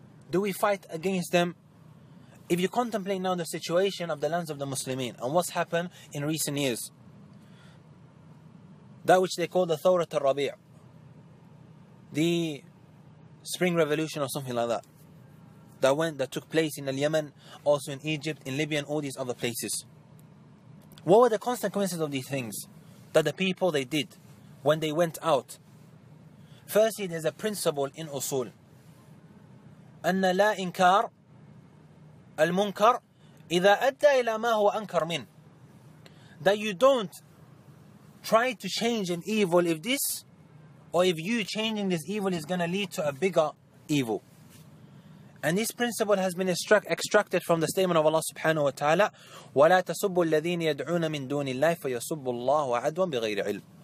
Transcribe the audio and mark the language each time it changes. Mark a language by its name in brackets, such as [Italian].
[English] Do we fight against them? If you contemplate now the situation of the lands of the Muslimin and what's happened in recent years, that which they call the Thawrat al-Rabi', the Spring Revolution or something like that, that took place in Yemen, also in Egypt, in Libya, and all these other places. What were the consequences of these things that the people they did when they went out? Firstly, there's a principle in Usul. [Arabic] أن لا إنكار المنكر إذا أدى إلى ما هو أنكر من. [English] That you don't try to change an evil if you changing this evil is going to lead to a bigger evil. And this principle has been extracted from the statement of Allah subhanahu wa ta'ala, [Arabic] وَلَا تَسُبُّ الَّذِينَ يَدْعُونَ مِن دُونِ اللَّهِ فَيَسُبُّ اللَّهُ عَدْوًا بِغَيْرِ عِلْمٍ.